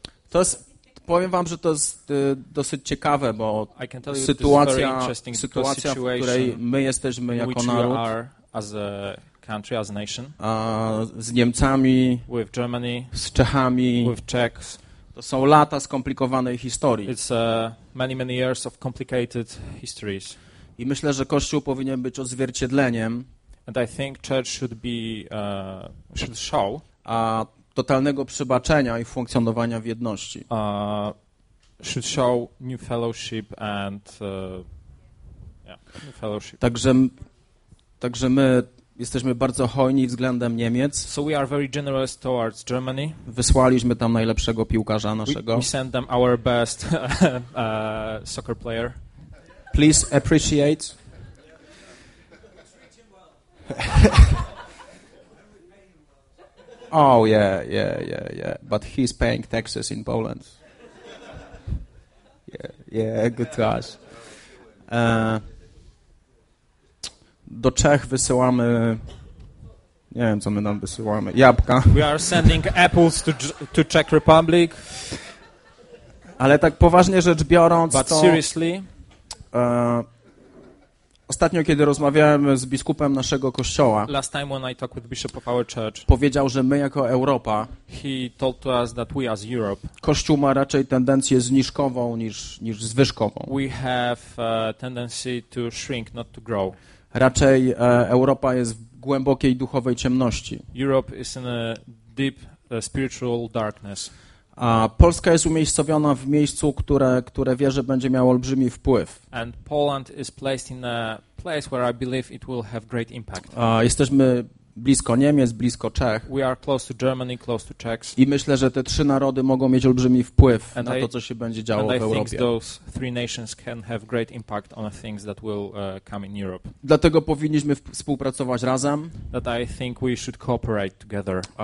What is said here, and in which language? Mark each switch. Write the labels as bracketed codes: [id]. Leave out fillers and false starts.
[pl] To jest, powiem wam, że to jest dosyć ciekawe, bo sytuacja, w której my jesteśmy jako naród, [en] as a country, as a nation, [pl] z Niemcami, [en] with Germany, [pl] z Czechami, [en] with Czechs, [pl] to są lata skomplikowanej historii. [en] It's many, many years of complicated histories. [pl] I myślę, że Kościół powinien być odzwierciedleniem, [en] and I think church should be, should show, [pl] totalnego przebaczenia i funkcjonowania w jedności. [en] Should show new fellowship and new fellowship. [pl] Także my jesteśmy bardzo hojni względem Niemiec. [en] So we are very generous towards Germany. [pl] Wysłaliśmy tam najlepszego piłkarza naszego. [en] We send them our best soccer player. Please appreciate. Oh, yeah. But he's paying taxes in Poland. Yeah, good guys. [pl] Do Czech wysyłamy, nie wiem, co my tam wysyłamy, jabłka. [en] We are sending apples to Czech Republic. [pl] Ale tak poważnie rzecz biorąc, [en] but [pl] to... [en] seriously. [pl] Ostatnio, kiedy rozmawiałem z biskupem naszego kościoła, [en] last time when I talked with Bishop of our church, [pl] powiedział, że my jako Europa, [en] he told to us that we as Europe, [pl] kościół ma raczej tendencję zniżkową niż zwyżkową. [en] We have a tendency to shrink, not to grow. [pl] Raczej Europa jest w głębokiej duchowej ciemności. [en] Europe is in a deep spiritual darkness. [pl] A Polska jest umiejscowiona w miejscu, które wierzę będzie miało olbrzymi wpływ. [en] And Poland is placed in a place where I believe it will have great impact. [pl] Jesteśmy blisko Niemiec, blisko Czech. [en] We are close to Germany, close to Czechs. [pl] I myślę, że te trzy narody mogą mieć olbrzymi wpływ [en] and [pl] na to, co się będzie działo w Europie. [en] I think those three nations can have great impact on things that will come in Europe. [pl] Dlatego powinniśmy współpracować razem. [en] That I think we should cooperate together.